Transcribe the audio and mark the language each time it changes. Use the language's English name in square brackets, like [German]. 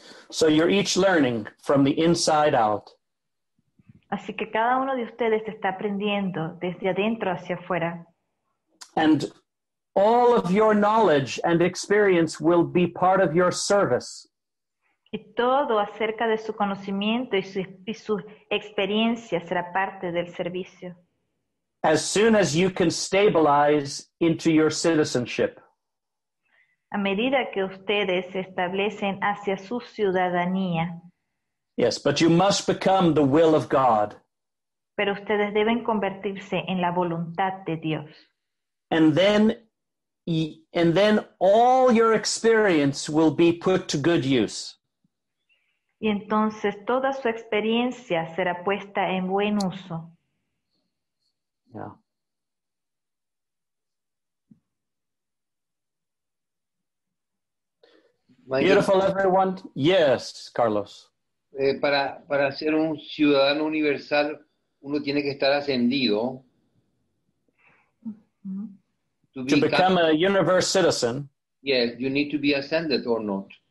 [English] So you're each learning from the inside out. [Spanish] Así que cada uno de ustedes está aprendiendo desde adentro hacia afuera. [English] And all of your knowledge and experience will be part of your service. [Spanish] Y todo acerca de su conocimiento y su experiencia será parte del servicio. [English] As soon as you can stabilize into your citizenship. [Spanish] A medida que ustedes se establecen hacia su ciudadanía. [English] Yes, but you must become the will of God. [Spanish] Pero ustedes deben convertirse en la voluntad de Dios. [English] And then all your experience will be put to good use. [Spanish] Y entonces toda su experiencia será puesta en buen uso. [English] Yeah. Beautiful, everyone. Yes, Carlos. [Spanish] Para ser un ciudadano universal, uno tiene que estar ascendido. [English] To become a universal citizen. Yes, you need to be ascended or not.